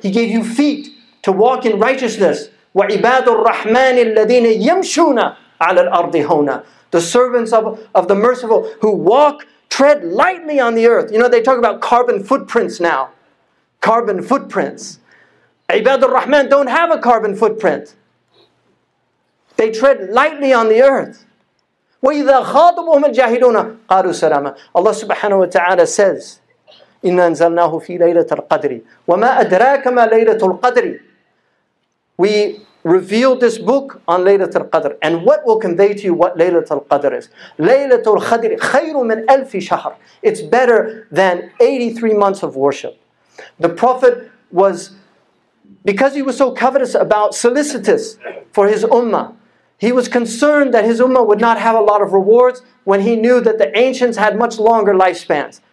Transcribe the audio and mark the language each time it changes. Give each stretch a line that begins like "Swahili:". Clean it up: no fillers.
English: He gave you feet to walk in righteousness.
Arabic: وَعِبَادُ الرَّحْمَنِ الَّذِينَ يَمْشُونَ عَلَى الْأَرْضِ هُونَ
English: The servants of the merciful who walk, tread lightly on the earth. You know, they talk about carbon footprints now. Carbon footprints. عِبَادُ الرَّحْمَنِ don't have a carbon footprint. They tread lightly on the earth.
Arabic: وَإِذَا خَاطَبُهُمُ الْجَاهِلُونَ قَالُوا سَلَامًا
English: Allah subhanahu wa ta'ala says,
Arabic: إِنَّا أَنزَلْنَاهُ فِي لَيْلَةِ الْقَدْرِ وَمَا أَدْرَاكَ مَا لَيْلَةُ الْقَدْرِ
English: We revealed this book on Laylatul Qadr. And what will convey to you what Laylatul Qadr is? Laylatul Qadr,
Arabic: khayru min alfi shahr.
English: It's better than 83 months of worship. The Prophet was, because he was so covetous about solicitous for his ummah, he was concerned that his ummah would not have a lot of rewards when he knew that the ancients had much longer lifespans.